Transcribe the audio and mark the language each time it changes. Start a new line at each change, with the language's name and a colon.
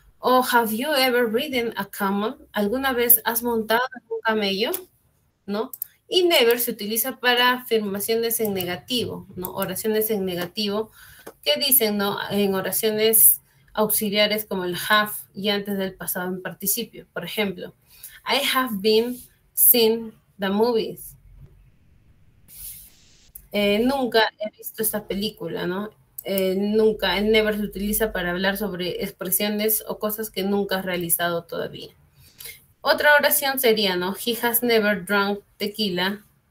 Spanish: O
English: have you ever ridden a camel?
Spanish: ¿Alguna vez has montado un camello? ¿No? Y never se utiliza para afirmaciones en negativo, ¿no? Oraciones en negativo que dicen, ¿no? En oraciones auxiliares como el have y antes del pasado en participio. Por ejemplo,
English: I have been seen the movies.
Spanish: Nunca he visto esta película, ¿no? Nunca, el never se utiliza para hablar sobre expresiones o cosas que nunca has realizado todavía. Otra oración sería, ¿no?
English: He has never drunk tequila.